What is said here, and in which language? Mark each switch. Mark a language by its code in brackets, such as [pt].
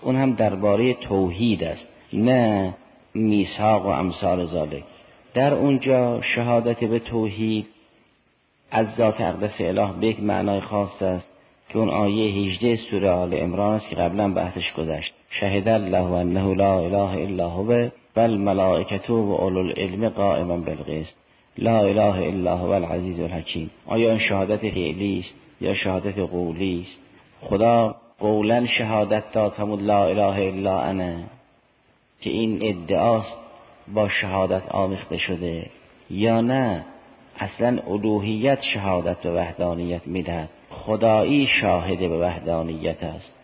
[fa] اون هم درباره توحید است، نه میثاق و امثال ذلک. در اونجا شهادت به توحید از ذات اقدس اله به یک معنای خاص است که اون آیه 18 سوره آل عمران است که قبلا بحثش گذشت. [ar] شهد الله انه لا اله الا هو و الملائکه و اولو العلم قائما بالقسط، لا اله الا هو العزیز الحکیم. [fa] آیا این شهادت فعلی است یا شهادت قولی است؟ خدا قولا شهادت داد فرمود [ar] لا اله الا انا، [fa] که این ادعاست با شهادت آمیخته شده، یا نه اصلا الوهیت شهادت به وحدانیت میدهد؟ خدایی شاهد به وحدانیت است.